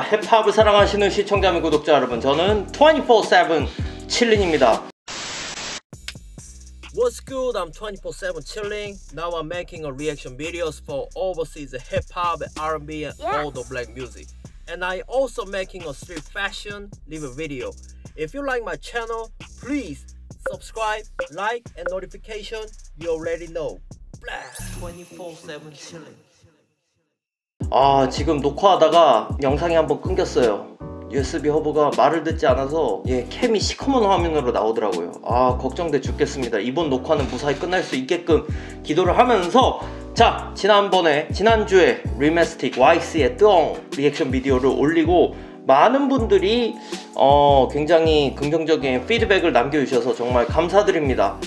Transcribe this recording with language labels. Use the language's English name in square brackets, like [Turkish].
[Korean] 힙합을 사랑하시는 시청자 및 구독자 여러분, 저는 24/7 칠링입니다. [English] What's good? I'm 24/7 chilling. Now I'm making a reaction videos for overseas hip hop, R&B, and all the black music. And I also making a street fashion live video. If you like my channel, please subscribe, like, and notification. You already know. Blast 24/7 chilling. [Korean] 아, 지금 녹화하다가 영상이 한번 끊겼어요. USB 허브가 말을 듣지 않아서 예, 캠이 시커먼 화면으로 나오더라고요. 아, 걱정돼 죽겠습니다. 이번 녹화는 무사히 끝날 수 있게끔 기도를 하면서, 자, 지난주에 리메스틱 YC의 뜨엉 리액션 비디오를 올리고 많은 분들이 굉장히 긍정적인 피드백을 남겨주셔서 정말 감사드립니다.